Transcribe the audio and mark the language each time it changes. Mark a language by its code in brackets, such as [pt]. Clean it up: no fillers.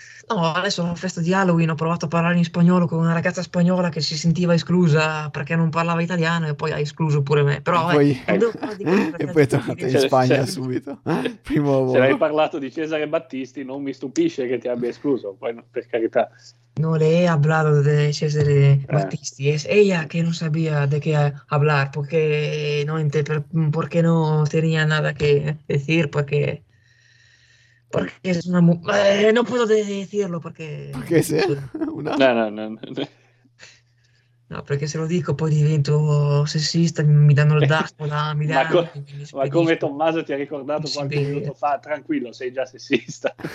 [it] No, adesso la festa di Halloween ho provato a parlare in spagnolo con una ragazza spagnola che si sentiva esclusa perché non parlava italiano e poi ha escluso pure me. Però, e poi è tornata in Spagna subito. Primo volo. Se l'hai parlato di Cesare Battisti, non mi stupisce che ti abbia escluso, poi, per carità. [es] Non le he hablado de Cesare Battisti, es ella que no sabía de qué hablar, porque no, porque no tenía nada que decir, porque... Porque es una no puedo decirlo porque. Porque sí. Una... No. [it] No, perché se lo dico poi divento sessista, mi danno il daspo, mi danno. Ma come Tommaso ti ha ricordato qualche minuto fa, tranquillo, sei già sessista.